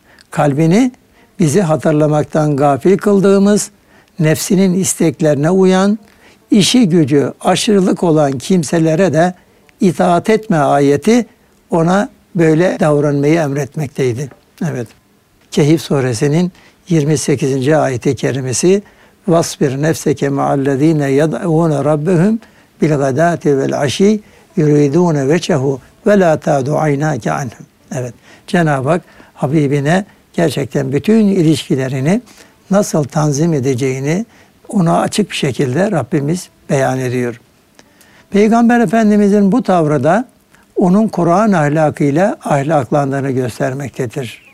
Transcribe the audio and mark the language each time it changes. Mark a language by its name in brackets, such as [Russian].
[Turkish] Kalbini bizi hatırlamaktan gafil kıldığımız, nefsinin isteklerine uyan, işi gücü aşırılık olan kimselere de itaat etme ayeti ona böyle davranmayı emretmekteydi. Evet. Kehif suresinin 28. ayeti kerimesi [Arabic] وَاسْبِرْ نَفْسَكَ مَعَ الَّذ۪ينَ يَدْعُونَ رَبَّهُمْ بِالْغَدَاةِ وَالْعَش۪ي يُرِيدُونَ وَجْهَهُ وَلَا تَعْدُ عَيْنَاكَ عَنْهُمْ. [Turkish] Evet. Cenab-ı Hak Habibine gerçekten bütün ilişkilerini nasıl tanzim edeceğini ona açık bir şekilde Rabbimiz beyan ediyor. Peygamber Efendimiz'in bu tavrı da onun Kur'an ahlakıyla ahlaklandığını göstermektedir.